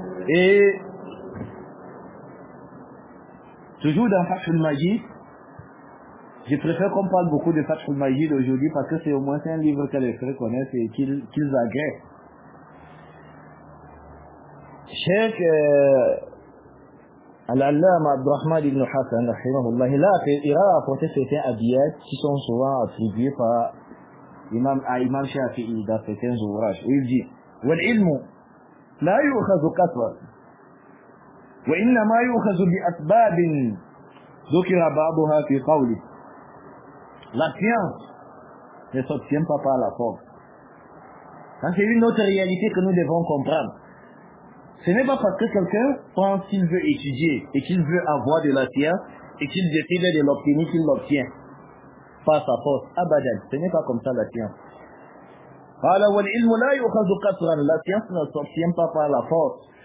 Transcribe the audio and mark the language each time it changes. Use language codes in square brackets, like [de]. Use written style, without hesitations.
[fr] Et toujours dans Fathul Majid, je préfère qu'on parle beaucoup de Fathul Majid aujourd'hui parce que c'est au moins un livre que les frères connaissent et qu'ils agréent. Cheikh Al-Allama Abdurrahman ibn Hassan, rahimahullah, il a apporté certains hadiyat qui sont souvent attribués par Imam Shafi'i dans certains ouvrages. Et il dit, [ar] وَالْعِلْمُ لَا يُؤْخَذُ كَثْرًا وإنما يؤخذ بأسباب ذكر بعضها في قوله لا [fr] science ne s'obtient pas par la force. Donc c'est une autre réalité que nous devons comprendre. Ce n'est pas parce que quelqu'un pense qu'il veut étudier et qu'il veut avoir de la science et qu'il décide de l'obtenir qu'il l'obtient par sa force. Abadan, ce n'est pas comme ça la science. Alors, [ar] والعلم لا يؤخذ كثرا, [fr] la science ne s'obtient pas par la force.